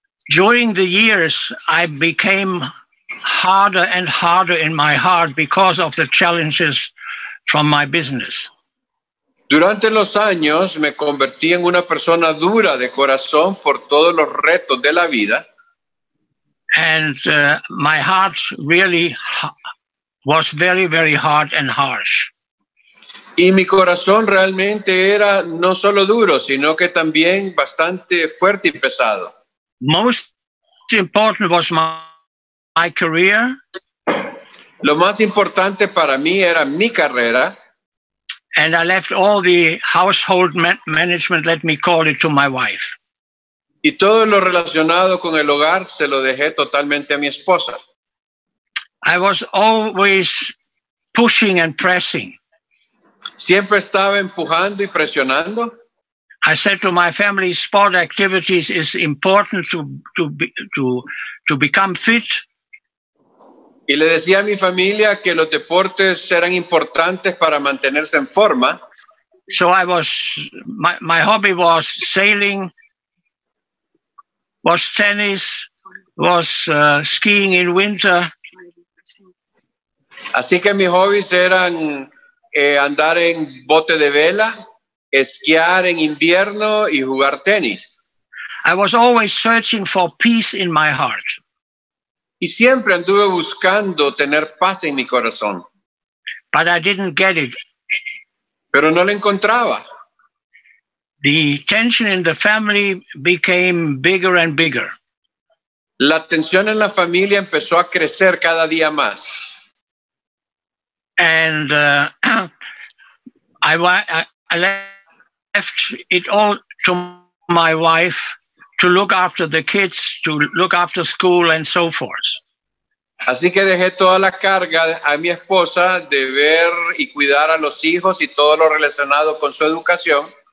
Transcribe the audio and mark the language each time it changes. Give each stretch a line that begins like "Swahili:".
English: During the years, I became harder and harder in my heart because of the challenges from my business.
Spanish: Durante los años, me convertí en una persona dura de corazón por todos los retos de la vida.
English: And my heart really was very, very hard and harsh.
Spanish: Y mi corazón realmente era no solo duro, sino que también bastante fuerte y pesado.
English: Most important was my career.
Spanish: Lo más importante para mí era mi carrera.
English: And I left all the household management, let me call it, to my wife.
Spanish: Y todo lo relacionado con el hogar se lo dejé totalmente a mi esposa.
English: I was always pushing and pressing.
Spanish: Siempre estaba empujando y presionando.
English: I said to my family, sport activities is important to become fit.
Spanish: Y le decía a mi familia que los deportes eran importantes para mantenerse en forma.
English: So I was, my hobby was sailing, was tennis, was skiing in winter.
Spanish: Así que mis hobbies eran andar en bote de vela, esquiar en invierno y jugar tenis.
English: I was always searching for peace in my heart.
Spanish: Y siempre anduve buscando tener paz en mi corazón.
English: But I didn't get it.
Spanish: Pero no lo encontraba.
English: The tension in the family became bigger and bigger.
Spanish: La tensión en la familia empezó a crecer cada día más.
English: And I left it all to my wife to look after the kids, to look after school and so forth.
Spanish: Así que dejé toda la carga a mi esposa de ver y cuidar a los hijos y todo lo relacionado con su educación.